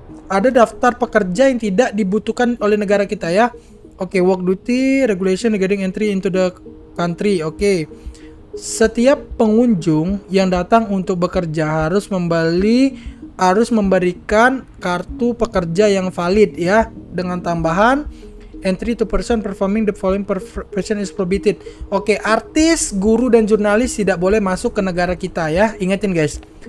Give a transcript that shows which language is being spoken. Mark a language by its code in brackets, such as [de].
[id] Ada daftar pekerja yang tidak dibutuhkan oleh negara kita ya. [en] Oke, okay, work duty, regulation regarding entry into the country. Oke. Okay. [id] Setiap pengunjung yang datang untuk bekerja harus memberikan kartu pekerja yang valid ya. Dengan tambahan, [en] entry to person performing the following profession is prohibited. [id] Oke, okay, artis, guru, dan jurnalis tidak boleh masuk ke negara kita ya. Ingetin guys.